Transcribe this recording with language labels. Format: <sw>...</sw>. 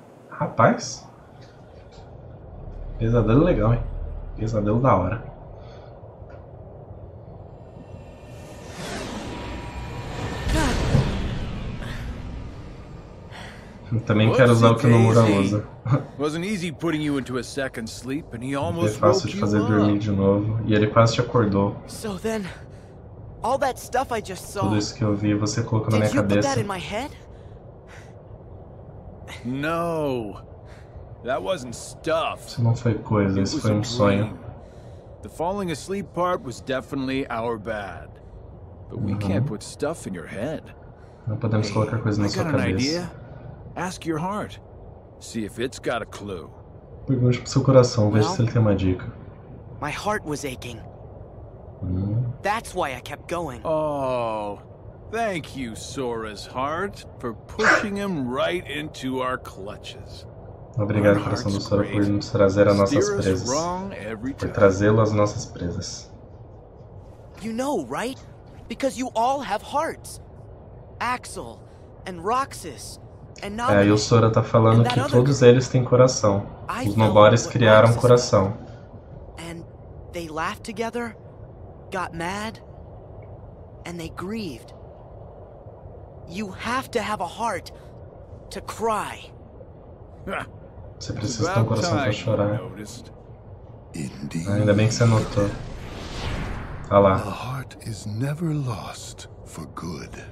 <pt>Rapaz, pesadelo legal, hein? Pesadelo da hora. Eu também quero usar o que o Nomura usa.</pt> <en>Wasn't easy putting you into a second sleep, and he almost</en> <pt>fácil de fazer dormir de novo, e ele quase te acordou.</pt> <en>So then, all that stuff I just saw.</en> <pt>Tudo isso que eu vi, você colocou na minha cabeça.</pt> <en>No. That wasn't stuff.</en> <pt>Isso não foi coisa, isso foi um sonho.</pt> <en>The falling asleep part was definitely our bad. But we can't put stuff in your head.</en> <pt>Não podemos colocar coisa na sua cabeça.</pt> <en>I got an idea. Ask your heart. See if it's got a clue.</en> <pt>Pergunte pro seu coração, veja se ele tem uma dica.</pt> <en>My heart was aching. That's why I kept going. Oh. Thank you, Sora's heart, for pushing him right into our clutches.</en> <pt>Obrigado, coração do Sora, por nos trazer as nossas presas. Por trazê-lo às nossas presas.</pt> <en>You know, right? Because you all have hearts. Axel and Roxas and Nami.</en> <pt>É, e o Sora tá falando que todos eles têm coração. Os Nobores criaram coração.</pt> <en>And they laughed together, got mad, and they grieved. You have to have a heart to cry.</en> <pt>Você precisa ter um coração para chorar.</pt> <en>Indeed.</en> <pt>Ainda bem que você notou. Ah lá.</pt> <en>A heart is never lost for good.</en>